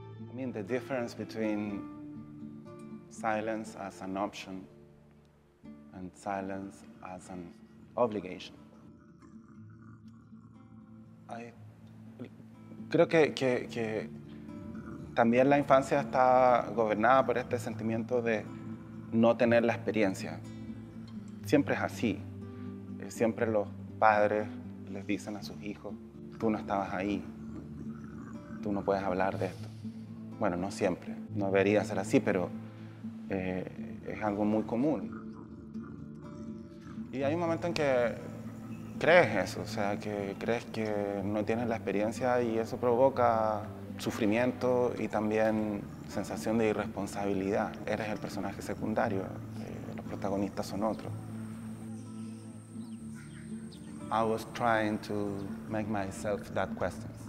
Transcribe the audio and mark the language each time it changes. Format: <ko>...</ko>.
<en>I mean, the difference between silence as an option and silence as an obligation.</en> <es>Creo que también la infancia está gobernada por este sentimiento de no tener la experiencia. Siempre es así. Siempre los padres les dicen a sus hijos, tú no estabas ahí, tú no puedes hablar de esto. Bueno, no siempre. No debería ser así, pero es algo muy común. Y hay un momento en que crees eso, o sea, que crees que no tienes la experiencia y eso provoca sufrimiento y también sensación de irresponsabilidad. Eres el personaje secundario, los protagonistas son otros.</es> <en>I was trying to make myself that question.</en>